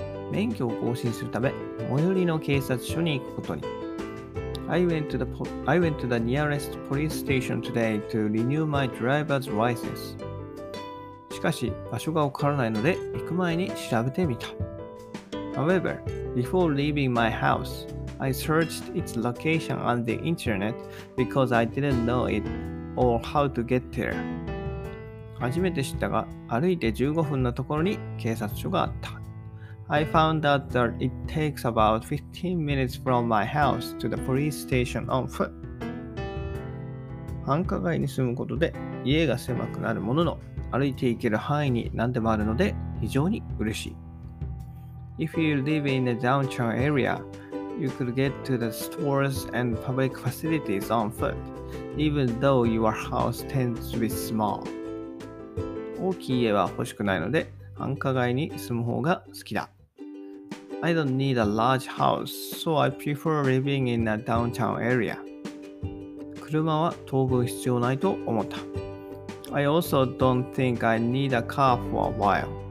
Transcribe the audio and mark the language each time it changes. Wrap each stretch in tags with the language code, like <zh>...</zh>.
<ja>免許を更新するため最寄りの警察署に行くことに。</ja> <en>I went to the nearest police station today to renew my driver's license。</en> <ja>しかし場所がわからないので行く前に調べてみた。</ja> <en>However, before leaving my houseI searched its location on the internet because I didn't know it or how to get there.</en> <ja>初めて知ったが、歩いて15分のところに警察署があった。</ja> <en>I found out that it takes about 15 minutes from my house to the police station on foot.</en> <ja>繁華街に住むことで家が狭くなるものの、歩いて行ける範囲に何でもあるので非常に嬉しい。</ja> <en>If you live in a downtown area,You could get to the stores and public facilities on foot, even though your house tends to be small.</en> <ja>大きい家は欲しくないので、繁華街に住む方が好きだ。</ja> <en>I don't need a large house, so I prefer living in a downtown area.</en> <ja>車は当分必要ないと思った。</ja> <en>I also don't think I need a car for a while.</en>